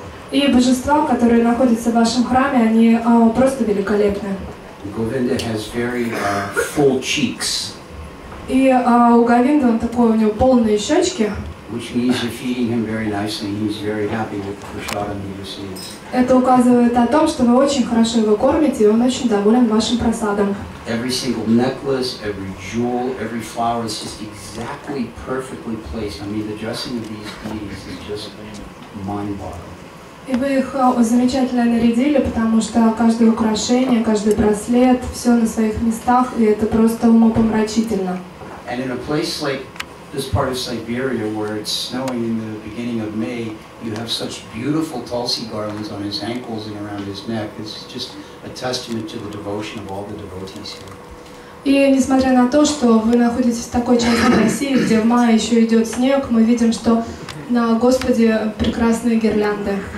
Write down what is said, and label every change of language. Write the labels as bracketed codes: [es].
[ru] И божества, которые находятся в вашем храме, они просто великолепны. [en] Govinda has very full cheeks. [ru] И у Говинды он такой, у него полные щечки. [en] Which means you're feeding him very nicely. He's very happy with the prasadam he receives. [ru] Это указывает о том, что вы очень хорошо его кормите, и он очень доволен вашим просадом. [en] Every single necklace, every jewel, every flower is just exactly perfectly placed. I mean, the dressing of these beads is just mind-boggling. [ru] И вы их замечательно нарядили, потому что каждое украшение, каждый браслет, все на своих местах, и это просто умопомрачительно. [en] And in a place like this part of Siberia, where it's snowing in the beginning of May, you have such beautiful tulsi garlands on his ankles and around his neck. It's just a testament to the devotion of all the devotees here. [ru] И несмотря на то, что вы находитесь в такой части России, где в мае еще идет снег, мы видим, что на Господе прекрасные гирлянды.